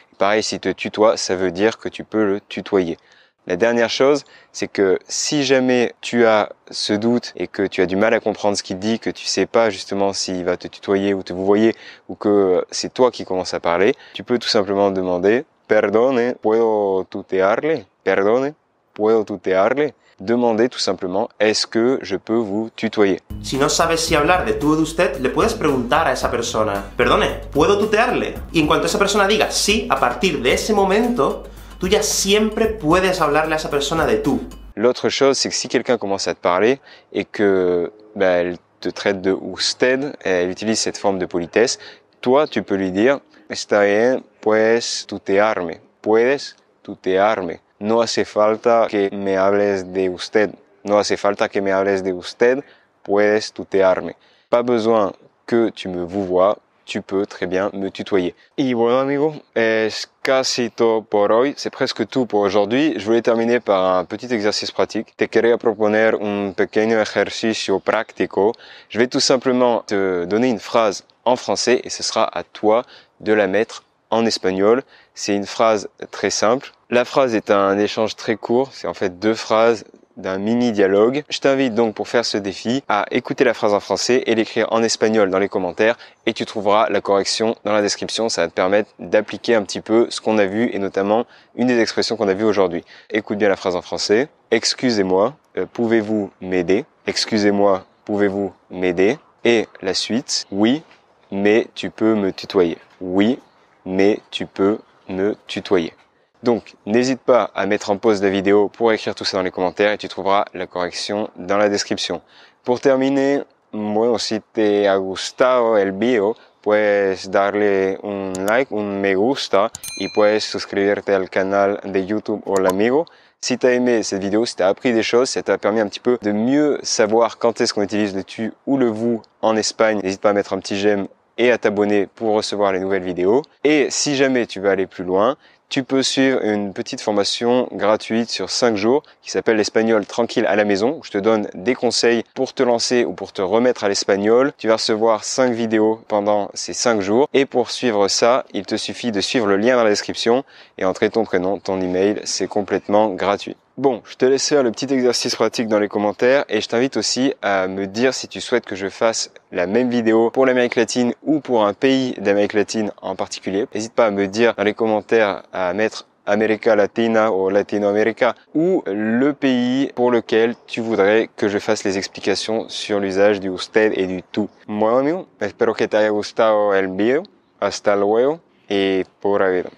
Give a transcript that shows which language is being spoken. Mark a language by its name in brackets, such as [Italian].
[French] Pareil, s'il te tutoie, ça veut dire que tu peux le tutoyer. La dernière chose, c'est que si jamais tu as ce doute et que tu as du mal à comprendre ce qu'il dit, que tu sais pas justement s'il va te tutoyer ou te vouvoyer ou que c'est toi qui commence à parler, tu peux tout simplement demander « [Spanish] Perdone, puedo tutearle ?»« [French] Perdone, puedo tutearle ?» Demander tout simplement « Est-ce que je peux vous tutoyer ?» [Spanish] Si no sabes si hablar de tú o de usted, le puedes preguntar a esa persona « Perdone, puedo tutearle ?» Y en cuanto esa persona diga sí, a partir de ese momento, tú ya siempre puedes hablarle a esa persona de tú. [French] L'autre chose, c'est que si quelqu'un commence à te parler et que elle te traite de usted, elle utilise cette forme de politesse, toi, tu peux lui dire [Spanish] está bien, puedes tutearme. Puedes tutearme. No hace falta que me hables de usted. No hace falta que me hables de usted. Puedes tutearme. [French] Pas besoin que tu me vouvoies. Tu peux très bien me tutoyer. [Spanish] Y bueno, amigo, es casi todo por hoy. [French] C'est presque tout pour aujourd'hui. Je voulais terminer par un petit exercice pratique. [Spanish] Te quería proponer un pequeño ejercicio práctico. [French] Je vais tout simplement te donner une phrase en français et ce sera à toi de la mettre en espagnol. C'est une phrase très simple. La phrase est un échange très court. C'est en fait deux phrases d'un mini dialogue. Je t'invite donc pour faire ce défi à écouter la phrase en français et l'écrire en espagnol dans les commentaires et tu trouveras la correction dans la description. Ça va te permettre d'appliquer un petit peu ce qu'on a vu et notamment une des expressions qu'on a vu aujourd'hui. Écoute bien la phrase en français. Excusez-moi, pouvez-vous m'aider? Excusez-moi, pouvez-vous m'aider? Et la suite. Oui, mais tu peux me tutoyer. Oui, mais tu peux me tutoyer. Donc, n'hésite pas à mettre en pause la vidéo pour écrire tout ça dans les commentaires et tu trouveras la correction dans la description. Pour terminer, [Spanish] bueno, si te ha gustado el video, puedes darle un like, un me gusta y puedes suscribirte al canal de YouTube Hola Amigo. [French] Si t'as aimé cette vidéo, si t'as appris des choses, si ça t'a permis un petit peu de mieux savoir quand est-ce qu'on utilise le tu ou le vous en Espagne, n'hésite pas à mettre un petit j'aime et à t'abonner pour recevoir les nouvelles vidéos. Et si jamais tu veux aller plus loin, tu peux suivre une petite formation gratuite sur 5 jours qui s'appelle l'espagnol tranquille à la maison. Je te donne des conseils pour te lancer ou pour te remettre à l'espagnol. Tu vas recevoir 5 vidéos pendant ces 5 jours. Et pour suivre ça, il te suffit de suivre le lien dans la description et entrer ton prénom, ton email. C'est complètement gratuit. Bon, je te laisse faire le petit exercice pratique dans les commentaires et je t'invite aussi à me dire si tu souhaites que je fasse la même vidéo pour l'Amérique latine ou pour un pays d'Amérique latine en particulier. N'hésite pas à me dire dans les commentaires à mettre America Latina ou Latino America ou le pays pour lequel tu voudrais que je fasse les explications sur l'usage du usted et du tú. [Spanish] Bueno, amigo, espero que te haya gustado el video. Hasta luego y pura vida.